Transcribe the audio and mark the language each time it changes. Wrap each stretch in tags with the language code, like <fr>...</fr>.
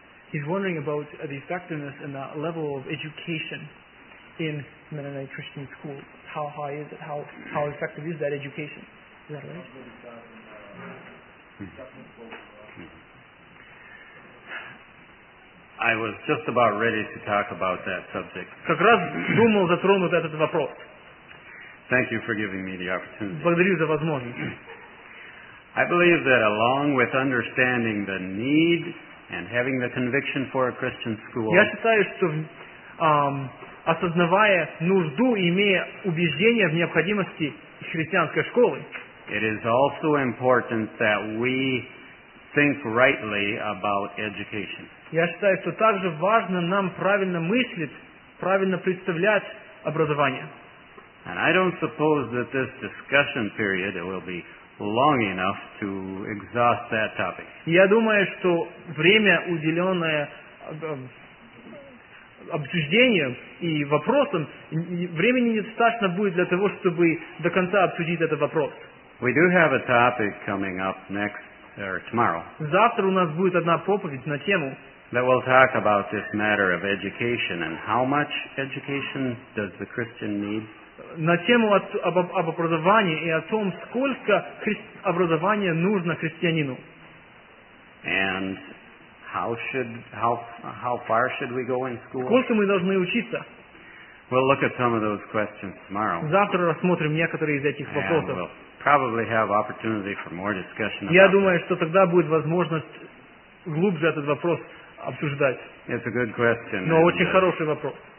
<en>He's wondering about the effectiveness and the level of education in Mennonite Christian schools. How high is it? How effective is that education? Is that right? I was just about ready to talk about that subject.</en> <ru>Как раз думал затронуть этот вопрос.</ru> <en>Thank you for giving me the opportunity.</en> <ru>Благодарю за возможность.</ru> <en>I believe that along with understanding the need and having the conviction for a Christian school.</en> <ru>Я считаю, что осознавая нужду и имея убеждение в необходимости христианской школы,</ru> <en>it is also important that we think rightly about education.</en> <ru>Я считаю, что также важно нам правильно мыслить, правильно представлять образование.</ru> <en>And I don't suppose that this discussion period will be long enough to exhaust that topic.</en> <ru>Я думаю, что время, уделенное обсуждению и вопросам, времени недостаточно будет для того, чтобы до конца обсудить этот вопрос.</ru> <en>We do have a topic coming up next or tomorrow.</en> <ru>Завтра у нас будет одна проповедь на тему.</ru> <en>That will talk about this matter of education and how much education does the Christian need.</en> <ru>На тему об образовании и о том, сколько образования нужно христианину.</ru> <en>And how far should we go in school?</en> <ru>Сколько мы должны учиться?</ru> <en>We'll look at some of those questions tomorrow.</en> <ru>Завтра рассмотрим некоторые из этих вопросов.</ru> <en>And we'll probably have opportunity for more discussion.</en> <ru>Я думаю, что тогда будет возможность глубже этот вопрос обсуждать.</ru> <en>It's a good question.</en> <ru>Но очень хороший вопрос.</ru>